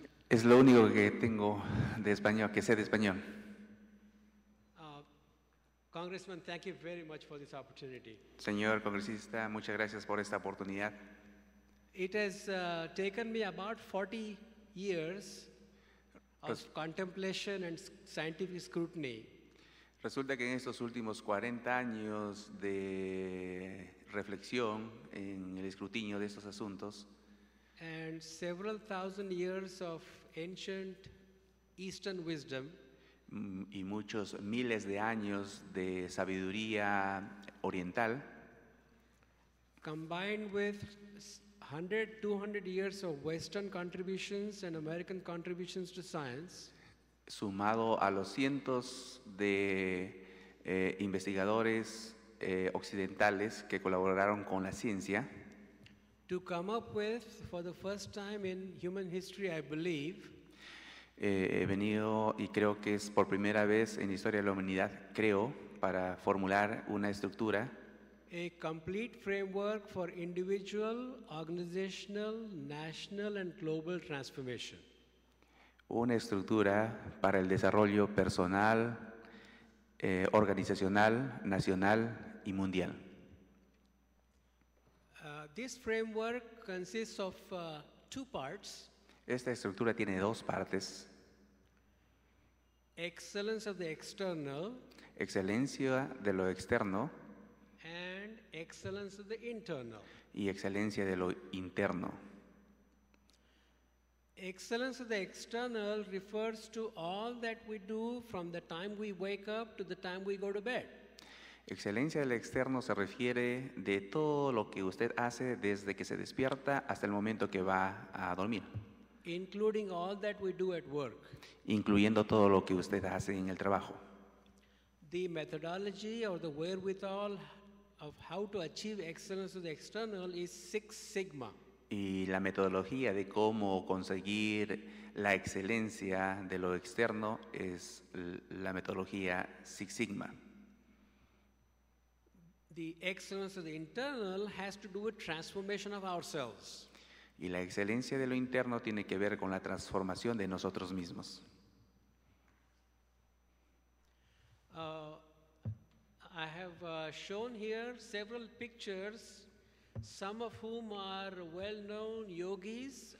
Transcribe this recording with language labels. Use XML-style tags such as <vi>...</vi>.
<es>Es lo único que tengo de español, que sé de español.</es> <en>Congressman, thank you very much for this opportunity.</en> <es>Señor congresista, muchas gracias por esta oportunidad.</es> <en>It has taken me about 40 years of contemplation and scientific scrutiny.</en> <es>Resulta que en estos últimos 40 años de reflexión en el escrutinio de estos asuntos,</es> <en>and several thousand years of ancient Eastern wisdom,</en> <es>y muchos miles de años de sabiduría oriental,</es> <en>combined with 100, 200 years of Western contributions and American contributions to science,</en> <es>sumado a los cientos de investigadores occidentales que colaboraron con la ciencia,</es> <en>to come up with, for the first time in human history, I believe,</en> <es>he venido y creo que es por primera vez en la historia de la humanidad, creo, para formular una estructura,</es> <en>a complete framework for individual, organizational, national and global transformation.</en> <es>Una estructura para el desarrollo personal, organizacional, nacional y mundial.</es> <en>This framework consists of two parts.</en> <es>Esta estructura tiene dos partes.</es> <en>Excellence of the external.</en> <es>Excelencia de lo externo.</es> <en>And excellence of the internal.</en> <es>Y excelencia de lo interno.</es> <en>Excellence of the external refers to all that we do from the time we wake up to the time we go to bed.</en> <es>Excelencia del externo se refiere de todo lo que usted hace desde que se despierta hasta el momento que va a dormir.</es> <en>Including all that we do at work.</en> <es>Incluyendo todo lo que usted hace en el trabajo.</es> <en>The methodology or the wherewithal of how to achieve excellence of the external is Six Sigma.</en> <es>Y la metodología de cómo conseguir la excelencia de lo externo es la metodología Six Sigma.</es> <en>The excellence of the internal has to do with transformation of ourselves.</en> <es>Y la excelencia de lo interno tiene que ver con la transformación de nosotros mismos.</es> <en>I have shown here several pictures, some of whom are well-known yogis.</en>